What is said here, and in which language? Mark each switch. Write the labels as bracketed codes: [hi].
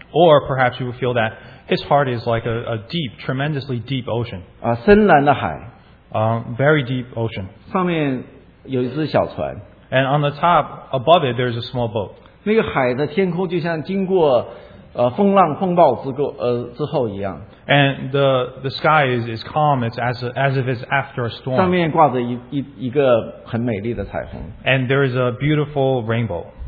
[en] Or perhaps you would feel that his heart is like a deep, tremendously deep ocean. [zh] 深蓝的海。 [en] Very deep ocean. [zh] 上面有一只小船。 [en] And on the top, above it, there's a small boat. [zh] 那个海的天空就像经过 风浪风暴之后一样。 [en] And the sky is calm. It's as if it's after a storm. [zh] 上面挂着一个很美丽的彩虹。 [en] And there is a beautiful rainbow.